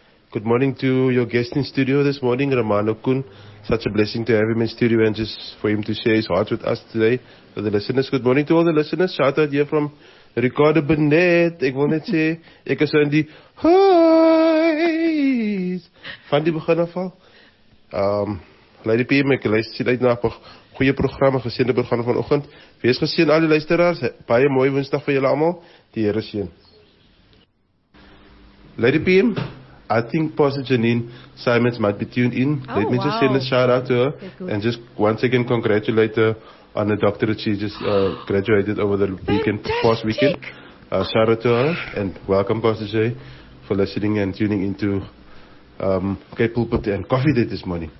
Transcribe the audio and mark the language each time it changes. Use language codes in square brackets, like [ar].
[en] Good morning to your guest in studio this morning, Romano Koen. Such a blessing to have him in studio and just for him to share his heart with us today. For the listeners, good morning to all the listeners. Shout out here from Ricardo Burnett. [af] Ek wil net sê, ek is in die huis. Van die begin af al. Lady PM, ek luister uit na goeie programme, geseende programme vanoggend. Wees geseen al die luisteraars, baie mooi woensdag vir julle allemaal, die Here seën. [en] Lady PM, I think Pastor Janine Simons might be tuned in. Oh, let me just send a shout out to her, and just once again congratulate her on the doctorate she just graduated over the weekend, past weekend. Shout out to her, and welcome Pastor Jay, for listening and tuning into K-Pulpit and Coffee Date this morning.